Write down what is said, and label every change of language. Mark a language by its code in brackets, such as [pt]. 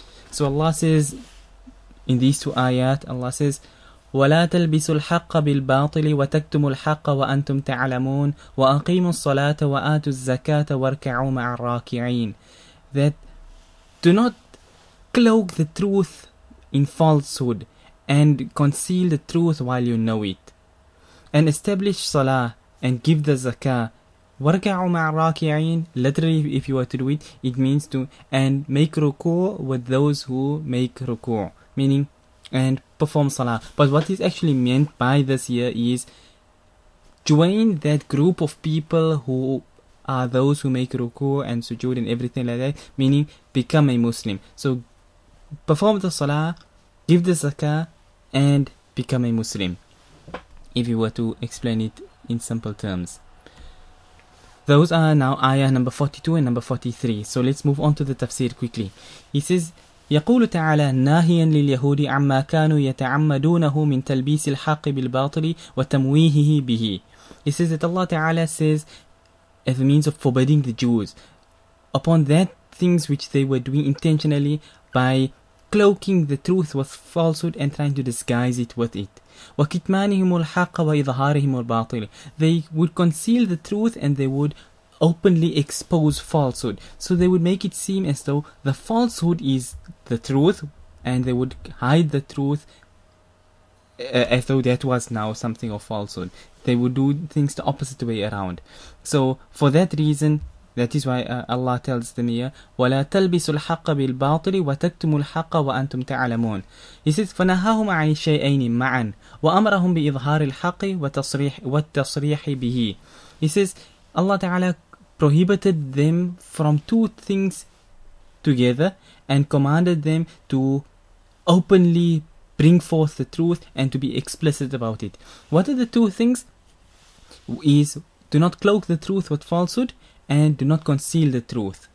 [en] So Allah says in these two ayat, Allah says, [ar] وَلَا تَلْبِسُوا الْحَقَّ بِالْبَاطِلِ وَتَكْتُمُوا الْحَقَّ وَأَنْتُمْ تَعْلَمُونَ وَأَقِيمُوا الصَّلَاةَ وَآتُوا الزَّكَاةَ وَارْكَعُوا مَعَ الرَّاكِعِينَ. [en] That do not cloak the truth in falsehood and conceal the truth while you know it. And establish salah and give the zakah. [ar] وَارْكَعُوا مَعَ الرَّاكِعِينَ, [en] literally if you were to do it, it means to, and make ruku' with those who make ruku', meaning, and perform salah. But what is actually meant by this here is, join that group of people who are those who make ruku' and sujood and everything like that, meaning become a Muslim. So perform the salah, give the zakah, and become a Muslim, if you were to explain it in simple terms. Those are now ayah number 42 and number 43. So let's move on to the tafsir quickly. He says, [ar] يقول تعالى ناهيا لليهود عما كانوا يتعمدونه من تلبيس الحق بالباطل وتمويهه به. [en] He says that Allah Ta'ala says, as a means of forbidding the Jews upon that things which they were doing intentionally by cloaking the truth with falsehood and trying to disguise it with it. [ar] وكتمانهم الحق وإظهارهم الباطل. [en] They would conceal the truth and they would openly expose falsehood. So they would make it seem as though the falsehood is the truth, and they would hide the truth as though that was now something of falsehood. They would do things the opposite way around. So for that reason, that is why Allah tells them here, [ar] وَلَا تَلْبِسُ الْحَقَّ بِالْبَاطِلِ وَتَكْتُمُوا الْحَقَّ وَأَنْتُمْ تَعْلَمُونَ. [en] He says, [ar] فَنَهَاهُمْ عَنِ شَيْئَيْنِ مَعًا وَأَمْرَهُمْ بِإِظْهَارِ الْحَقِّ وَالتَّصْرِيحِ بِهِ. [en] He says, Allah Ta'ala prohibited them from two things together and commanded them to openly bring forth the truth and to be explicit about it. What are the two things? Is do not cloak the truth with falsehood and do not conceal the truth.